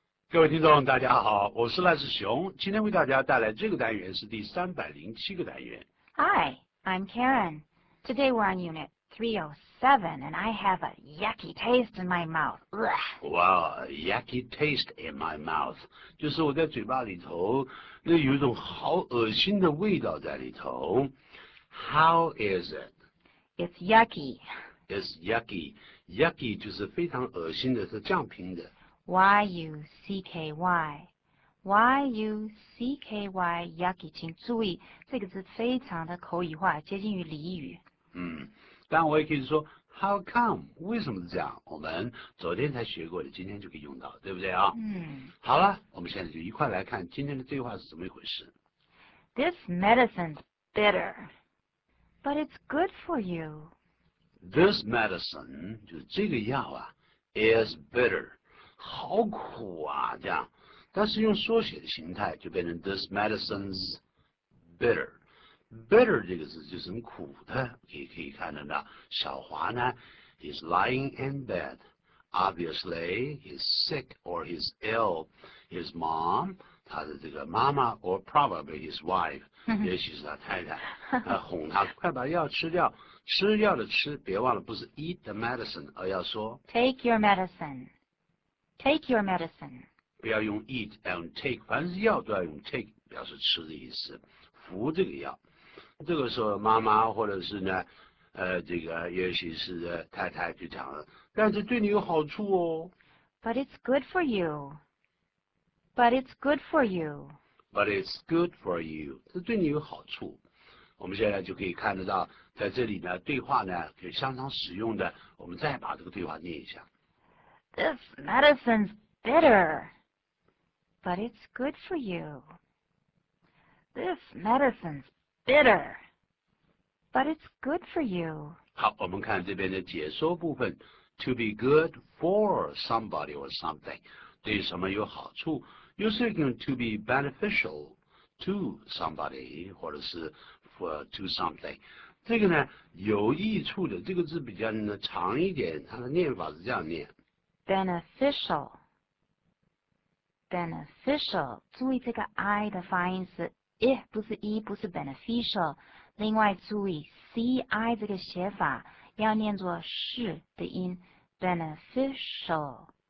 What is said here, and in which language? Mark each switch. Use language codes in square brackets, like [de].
[zh] 各位听众大家好，我是赖世雄，今天为大家带来这个单元是第307个单元。 [en] Hi, I'm Karen. Today we're on unit 307 and I have a yucky taste in my mouth. Wow, yucky taste in my mouth. [zh] 就是我在嘴巴里头那有一种好恶心的味道在里头。 [en] How is it? It's yucky. It's yucky. [zh] Yucky 就是非常恶心的，是酱瓶的。 [en] Y-U-C-K-Y. Y-U-C-K-Y, yucky. [zh] 请注意，这个字非常的口语化，接近于俚语。但我也可以说 [en] how come? [zh] 为什么是这样？我们昨天才学过的，今天就可以用到，对不对啊？好了，我们现在就一块来看今天的对话是怎么一回事。 [en] This medicine's bitter. But it's good for you. This medicine, [zh] 就是这个药啊, [en] is bitter. [zh] 好苦啊,这样。但是用缩写的形态就变成 [en] this medicine's bitter. [zh] Bitter 这个字就是很苦的,可以看得到。小华呢, is lying in bed. Obviously, he's sick or he's ill. [en] His mom, [zh] 他的这个妈妈 [en] or probably his wife, [zh] 也许是他太太哄他快把药吃掉，吃药的吃，别忘了不是 [en] eat the medicine, [zh] 而要说 [en] take your medicine, take your medicine, [zh] 不要用 eat and take, 凡是药都要用 take, 表示吃的意思，服这个药。这个时候妈妈或者是呢这个也许是太太就讲了，但是对你有好处哦。 [en] But it's good for you. But it's good for you. But it's good for you. [zh] 这对你有好处。我们现在就可以看得到，在这里呢，对话呢可以相当实用的。我们再把这个对话念一下。 [en] This medicine's bitter, but it's good for you. This medicine's bitter, but it's good for you. [zh] 好，我们看这边的解说部分。 [en] To be good for somebody or something, [zh] 对什么有好处。 [en] You're saying to be beneficial to somebody, 或者是 for, to something. [zh] 这个呢有益处的，这个字比较呢长一点，它的念法是这样念。 [en] Beneficial. Beneficial. [zh] 注意这个 I 的发音是 I, 不是 E, 不是 beneficial. 另外注意 CI 这个写法要念作是的音 beneficial.